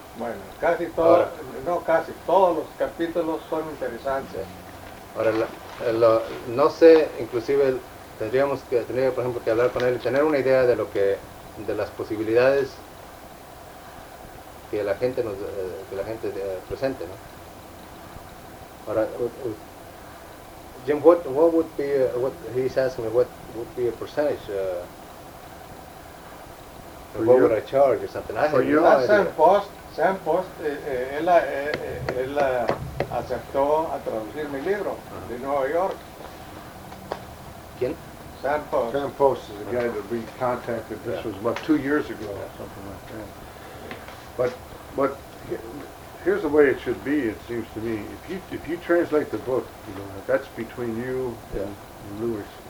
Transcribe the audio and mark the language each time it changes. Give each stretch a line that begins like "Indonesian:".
Spanish: Bueno, casi todos los capítulos son interesantes. Sí. Ahora, no sé, inclusive tendría, por ejemplo, que hablar con él y tener una idea de las posibilidades que la gente presente, ¿no?
English: Ahora, Jim, what would be he's asking me, what would be a percentage? For what would I charge or something? For I you, that's impossible.
Spanish: Sam Post, él aceptó a traducir mi libro de Nueva York. ¿Quién? Sam Post.
English: Sam Post is the guy that we contacted. This was about 2 years ago. Yeah, something like that. But here's the way it should be, it seems to me. If you translate the book, you know, that's between you and Lewis.